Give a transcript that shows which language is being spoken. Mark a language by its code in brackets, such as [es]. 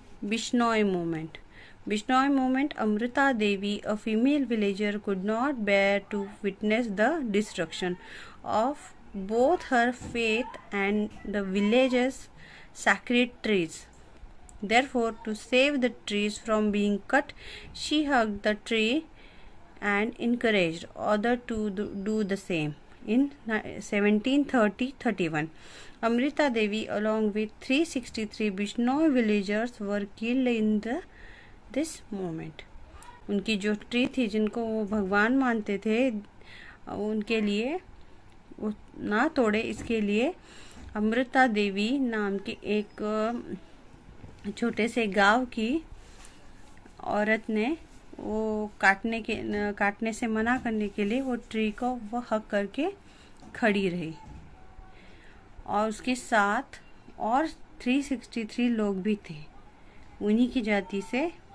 [en] Bishnoi movement, Bishnoi movement, Amrita Devi a female villager could not bear to witness the destruction of both her faith and the villages sacred trees, therefore to save the trees from being cut she hugged the tree and encouraged other to do the same in 1730-31. Amrita Devi along with 363 Bishnoi villagers were killed in this moment. [hi] उनकी जो tree थी जिनको वो भगवान मानते थे, उनके लिए वो ना तोड़े, इसके लिए अमृता देवी नाम के एक छोटे से गांव की औरत ने वो काटने से मना करने के लिए वो ट्री को वह हक करके खड़ी रही, और उसके साथ और 363 लोग भी थे उन्हीं की जाति से।